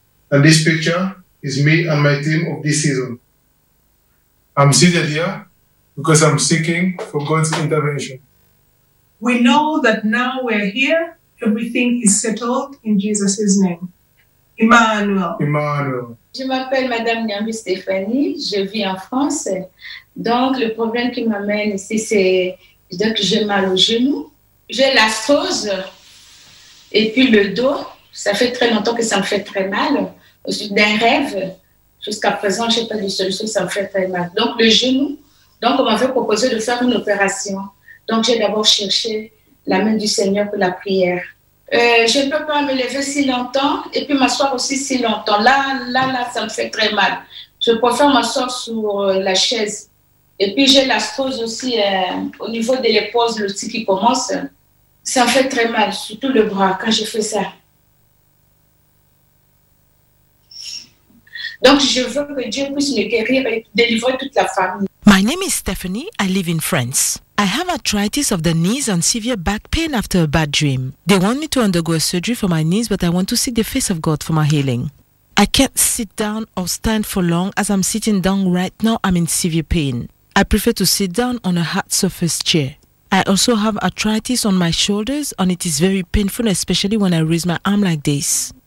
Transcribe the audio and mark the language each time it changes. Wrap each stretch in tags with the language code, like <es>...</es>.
<en>And this picture is me and my team of this season. I'm seated here because I'm seeking for God's intervention. We know that now we're here, everything is settled in Jesus' name. Emmanuel.</en> <fr>Je m'appelle Madame Nyambi Stéphanie, je vis en France. Donc, le problème qui m'amène ici, c'est que j'ai mal au genou. J'ai la l'arthrose et puis le dos. Ça fait très longtemps que ça me fait très mal. D'un rêve, jusqu'à présent, je n'ai pas de solution, ça me fait très mal. Donc, le genou, donc on m'avait proposé de faire une opération. Donc, j'ai d'abord cherché la main du Seigneur pour la prière. Je ne peux pas me lever si longtemps et puis m'asseoir aussi si longtemps. Là, ça me fait très mal. Je préfère m'asseoir sur la chaise. Et puis j'ai l'arthrose aussi au niveau de l'épaule, le tic qui commence. Ça me fait très mal, surtout le bras, quand je fais ça. Donc je veux que Dieu puisse me guérir et délivrer toute la famille.</fr> <en>My name is Stephanie, I live in France. I have arthritis of the knees and severe back pain after a bad dream. They want me to undergo a surgery for my knees, but I want to see the face of God for my healing. I can't sit down or stand for long. As I'm sitting down right now, I'm in severe pain. I prefer to sit down on a hard surface chair. I also have arthritis on my shoulders and it is very painful, especially when I raise my arm like this.</en>